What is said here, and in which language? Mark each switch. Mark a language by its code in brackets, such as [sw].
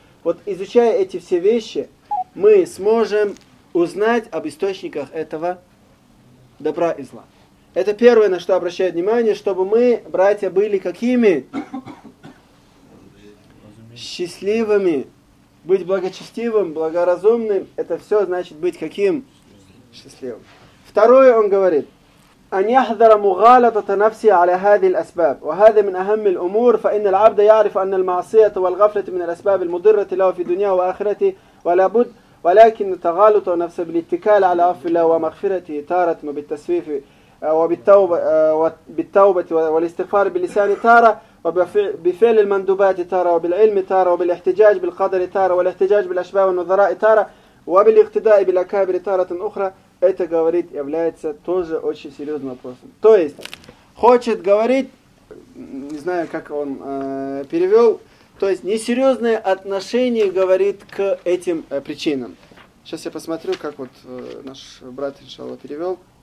[ru] Вот изучая эти все вещи, мы сможем узнать об источниках этого добра и зла. Это первое, на что обращаю внимание, чтобы мы, братья, были какими? Счастливыми. Быть благочестивым, благоразумным. Это все значит быть каким? Счастливым. Второе, он говорит, [ar] أن يحذر مغالطة نفسه على هذه الأسباب وهذا من أهم الأمور فإن العبد يعرف أن المعصية والغفلة من الأسباب المضرة له في دنياه وآخرته ولا بد ولكن تغالط نفسه بالاتكال على عفو الله ومغفرته تارة وبالتسويف وبالتوبة وبالتوبة والاستغفار باللسان تارة وبفعل المندوبات تارة وبالعلم تارة وبالاحتجاج بالقدر تارة والاحتجاج بالأسباب والنظراء تارة وبالاقتداء بالأكابر تارة أخرى. [ru] Это, говорит, является тоже очень серьезным вопросом. То есть, хочет говорить, не знаю, как он перевел, то есть, несерьезное отношение говорит к этим причинам. Сейчас я посмотрю, как вот наш брат, иншаллах, перевел.